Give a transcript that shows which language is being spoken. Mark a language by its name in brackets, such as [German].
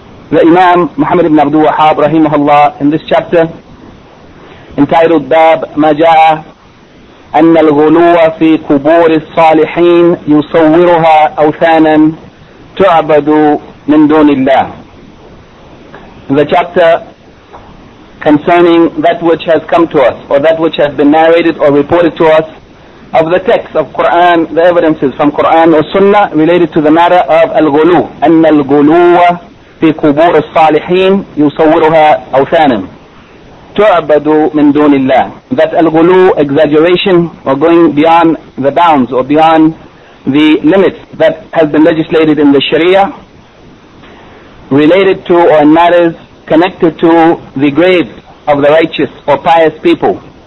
[English] The Imam Muhammad ibn Abdul Wahhab rahimahullah, in this chapter entitled Bab Ma Ja'a Anna al-Ghuluwa fi Qubur al-Salihin Yusawwiruha Awthanan Tu'abadu min Dunillah. The chapter concerning that which has come to us, or that which has been narrated or reported to us, of the text of Qur'an, the evidences from Qur'an or Sunnah related to the matter of Al-Ghulu. [Arabic] أن الغلو في قبور الصالحين يصورها أوثانا تعبد من دون الله. [English] That Al-Ghulu, exaggeration, or going beyond the bounds or beyond the limits that has been legislated in the Sharia related to or in matters connected to the graves of the righteous or pious people.